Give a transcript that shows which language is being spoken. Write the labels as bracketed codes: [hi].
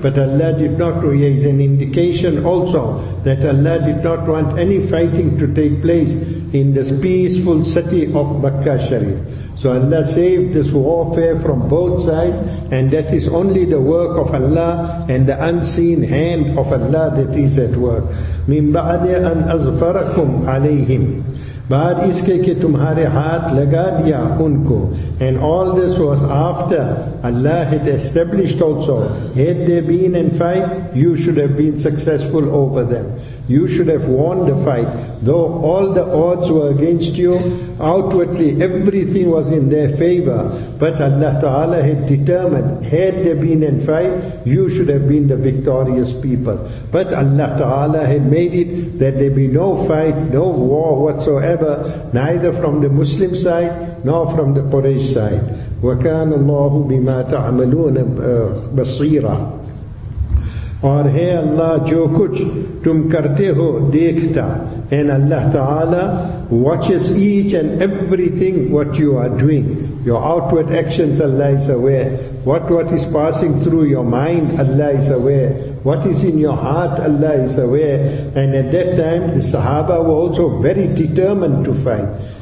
[en] But Allah did not, is an indication also that Allah did not want any fighting to take place in this peaceful city of Makkah Sharif. So Allah saved this warfare from both sides, and that is only the work of Allah and the unseen hand of Allah that is at work. [ar] مِن بَعْدِ أَنْ أَزْفَرَكُمْ عَلَيْهِمْ. [ur] بعد اس کے کہ تمہارے ہاتھ لگا دیا ان کو. [en] And all this was after Allah had established also, had they been in fight, you should have been successful over them. You should have won the fight. Though all the odds were against you, outwardly everything was in their favor, but Allah Ta'ala had determined, had they been in fight, you should have been the victorious people. But Allah Ta'ala had made it that there be no fight, no war whatsoever, neither from the Muslim side nor from the Quraysh side. [ar] وَكَانَ اللَّهُ بِمَا تَعْمَلُونَ بَصِيرًا. [ur] اور ہے اللہ جو کچھ تم کرتے ہو دیکھتا. [en] And Allah Ta'ala watches each and everything what you are doing. Your outward actions, Allah is aware. What is passing through your mind, Allah is aware. What is in your heart, Allah is aware. And at that time, the Sahaba were also very determined to fight.